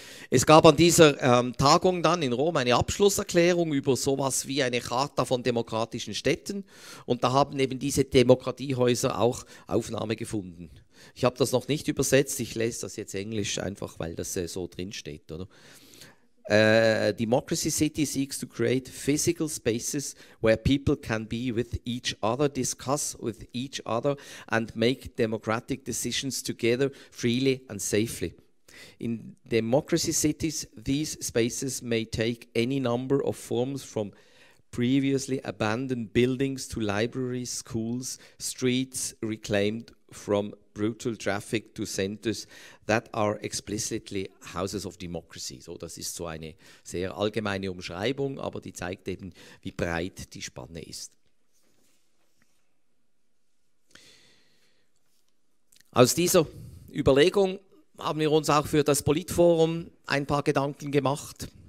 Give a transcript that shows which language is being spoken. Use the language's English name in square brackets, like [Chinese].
[German] Es gab an dieser Tagung dann in Rom eine Abschlusserklärung über sowas wie eine Charta von demokratischen Städten. Und da haben eben diese Demokratiehäuser auch Aufnahme gefunden. Ich habe das noch nicht übersetzt, ich lese das jetzt Englisch einfach, weil das so drinsteht. Oder? [English] Democracy City seeks to create physical spaces where people can be with each other, discuss with each other and make democratic decisions together freely and safely. In democracy cities, these spaces may take any number of forms, from previously abandoned buildings to libraries, schools, streets reclaimed from brutal traffic to centers that are explicitly houses of democracy. [German] So, das ist so eine sehr allgemeine Umschreibung, aber die zeigt eben, wie breit die Spanne ist. Aus dieser Überlegung haben wir uns auch für das Politforum ein paar Gedanken gemacht.